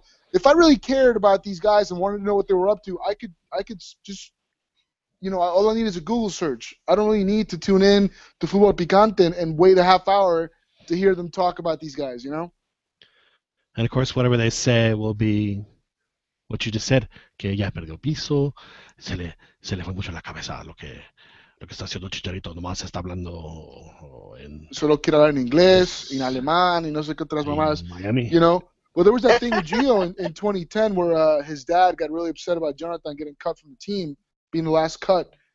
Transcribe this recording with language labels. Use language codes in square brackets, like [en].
[en] If I really cared about these guys and wanted to know what they were up to, I could just all I need is a Google search. I don't really need to tune in to Futbol Picante and wait a half hour to hear them talk about these guys, And of course, whatever they say will be what you just said. [es] Que ya perdió piso, se le fue mucho la cabeza lo que está haciendo Chicharito, nomás está hablando en... Solo quiere hablar en inglés, en alemán, y no sé qué otras mamás. [en] Miami. Well, there was that thing with Gio in 2010 where his dad got really upset about Jonathan getting cut from the team, being the last cut.